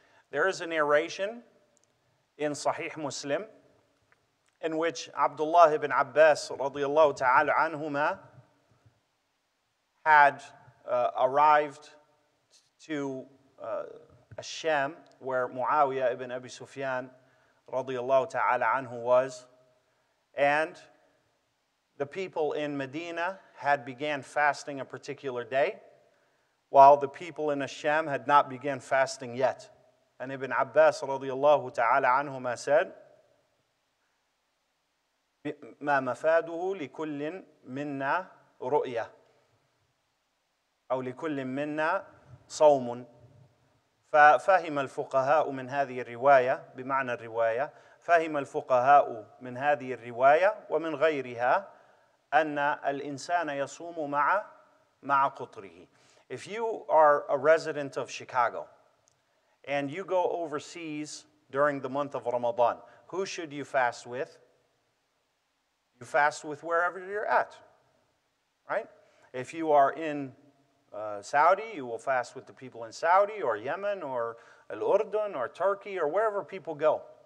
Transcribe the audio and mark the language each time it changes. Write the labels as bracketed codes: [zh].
[en] There is a narration in Sahih Muslim in which Abdullah ibn Abbas radiallahu ta'ala anhuma had arrived to Ash-Sham, where Muawiyah ibn Abi Sufyan radiallahu ta'ala anhu was, and the people in Medina had began fasting a particular day, while the people in Asham had not began fasting yet. And Ibn Abbas radiallahu ta'ala anhuma said, [ar] مَا مَفَادُهُ لِكُلٍ مِنَّا رُؤْيَةً أو لِكُلٍ مِنَّا صَوْمٌ. ففهم الفقهاء من هذه الرواية بمعنى الرواية فهم الفقهاء من هذه الرواية ومن غيرها أن الإنسان يصوم مع قطره. [en] If you are a resident of Chicago and you go overseas during the month of Ramadan, who should you fast with? You fast with wherever you're at, right? If you are in Saudi, you will fast with the people in Saudi or Yemen or Al-Urdun or Turkey or wherever people go.